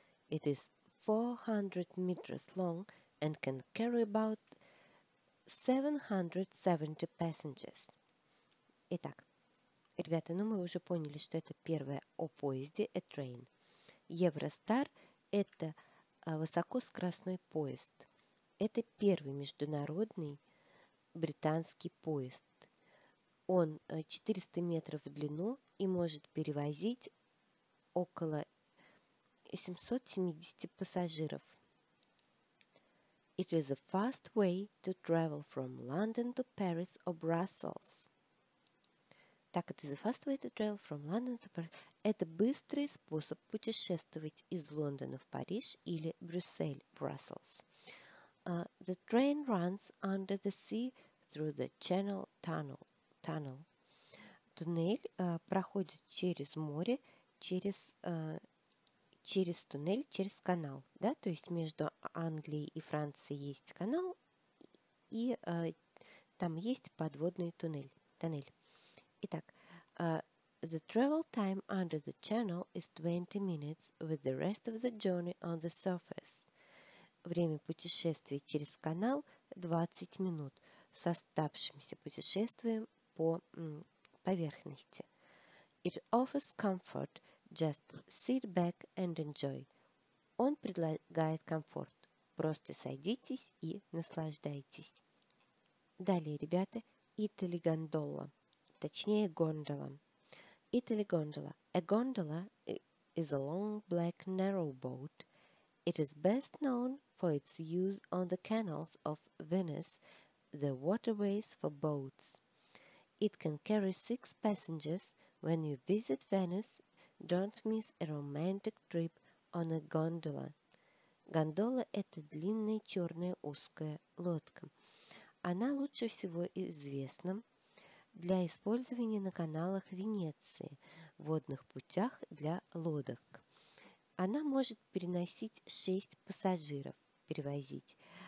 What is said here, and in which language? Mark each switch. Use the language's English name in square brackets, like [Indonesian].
[English] It is 400 meters long and can carry about 770 passengers. [Russian] Итак, ребята, ну мы уже поняли, что это первое о поезде, [English] a train. [Russian] Eurostar это высокоскоростной поезд. Это первый международный британский поезд. Он 400 метров в длину и может перевозить около 770 пассажиров. [English] It is a fast way to travel from London to Paris or Brussels. Так, it is a fast way to travel from London to Paris. [Russian] Это быстрый способ путешествовать из Лондона в Париж или Брюссель, Brussels. [English] The train runs under the sea through the Channel Tunnel. [Russian] Туннель проходит через море, через туннель, через канал. Да? То есть между Англией и Францией есть канал, и там есть подводный туннель. Итак, [English] the travel time under the channel is 20 minutes with the rest of the journey on the surface. [Russian] Время путешествия через канал 20 минут с оставшимся путешествием по поверхности. [English] It offers comfort, just sit back and enjoy. [Russian] Он предлагает комфорт. Просто садитесь и наслаждайтесь. Далее, ребята, Italy Gondola. Точнее, гондола. Italy gondola. [English] A gondola is a long, black, narrow boat. It is best known for its use on the canals of Venice, the waterways for boats. It can carry 6 passengers. When you visit Venice, don't miss a romantic trip on a gondola. [Russian] Гондола – это длинная, черная, узкая лодка. Она лучше всего известна для использования на каналах Венеции, водных путях для лодок. Она может переносить 6 пассажиров, перевозить.